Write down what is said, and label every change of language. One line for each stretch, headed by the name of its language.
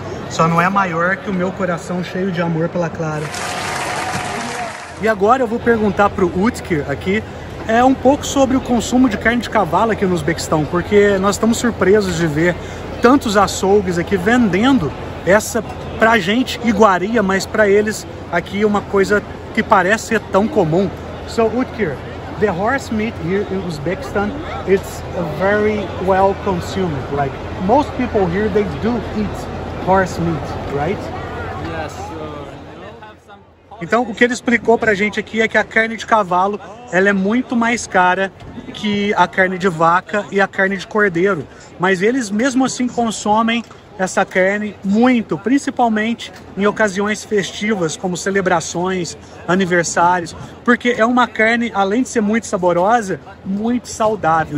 Portuguese: Só não é maior que o meu coração cheio de amor pela Clara. E agora eu vou perguntar pro Utker aqui, é um pouco sobre o consumo de carne de cavalo aqui no Uzbequistão, porque nós estamos surpresos de ver tantos açougues aqui vendendo essa, pra gente, iguaria, mas pra eles aqui é uma coisa que parece ser tão comum.
English: So, Utker, the horse meat here in Uzbekistan, it's very well consumed. Like, most people here, they do eat horse meat, right?
Portuguese: Então, o que ele explicou pra gente aqui é que a carne de cavalo, ela é muito mais cara que a carne de vaca e a carne de cordeiro. Mas eles, mesmo assim, consomem essa carne muito, principalmente em ocasiões festivas, como celebrações, aniversários, porque é uma carne, além de ser muito saborosa, muito saudável.